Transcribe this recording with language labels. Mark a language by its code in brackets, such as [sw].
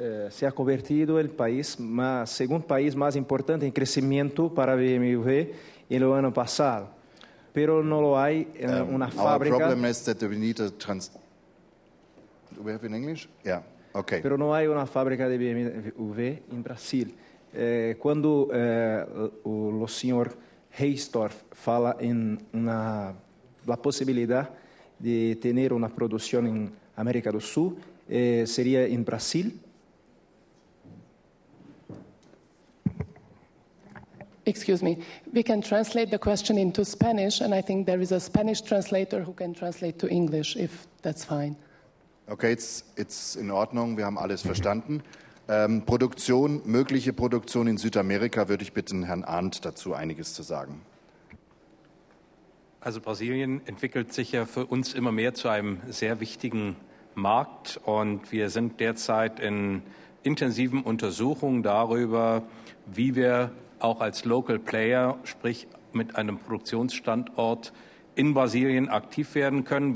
[es] Se ha convertido el país, segundo país más importante en crecimiento para BMW en el año pasado. Pero no lo hay en una fábrica. [en] Our problem is that we need a Do we have in English? Yeah, okay. [es] Pero no hay una fábrica de BMW en Brasil. Cuando o señor Heistorf fala en la posibilidad de tener una producción en América del Sur, sería en Brasil. [en] Excuse me, we can translate the question into Spanish, and I think there is a Spanish translator who can translate to English, if that's fine. Okay, it's [de] in Ordnung, wir haben alles verstanden. Produktion, mögliche Produktion in Südamerika, würde ich bitten, Herrn Arndt dazu einiges zu sagen. Also Brasilien entwickelt sich ja für uns immer mehr zu einem sehr wichtigen Markt, und wir sind derzeit in intensiven Untersuchungen darüber, wie wir auch als Local Player, sprich mit einem Produktionsstandort in Brasilien aktiv werden können.